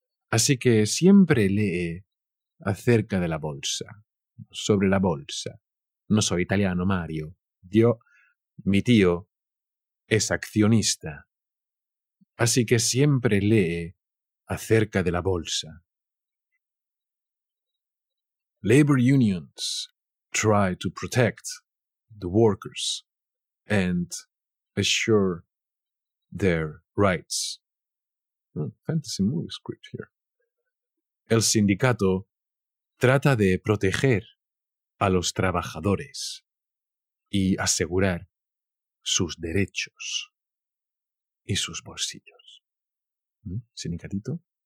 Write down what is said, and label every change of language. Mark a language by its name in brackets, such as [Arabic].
[Spanish] Así que siempre lee acerca de la bolsa, sobre la bolsa. No soy italiano, Mario. Mi tío es accionista. Así que siempre lee acerca de la bolsa. [English] Labor unions try to protect the workers and assure their rights. Fantasy movie script here. [Spanish] El sindicato trata de proteger a los trabajadores y asegurar sus derechos y sus bolsillos. ¿Sindicatito?